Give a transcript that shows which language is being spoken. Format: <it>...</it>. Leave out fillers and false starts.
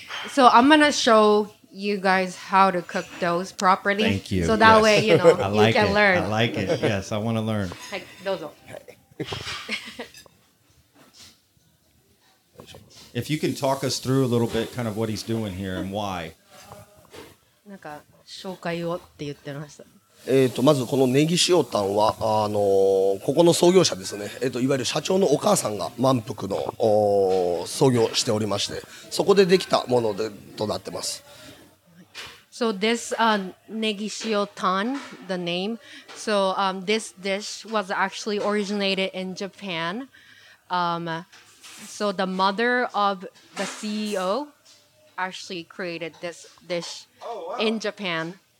<en>So I'm gonna show you guys how to cook those properly. Thank you. So that way, you know, you like can it. Learn. I like it. Yes, I want to learn. If you can talk us through a little bit, kind of what he's doing here and why.</en> <ja>なんか紹介をって言ってました。まずこのネギ塩タンはここの創業者ですね、いわゆる社長のお母さんが満腹の創業しておりまして、そこでできたものでとなってます。</ja> <en>So this ネギ塩タン the name, so this dish was actually originated in Japan. So the mother of the CEO actually created this dish in Japan.</en>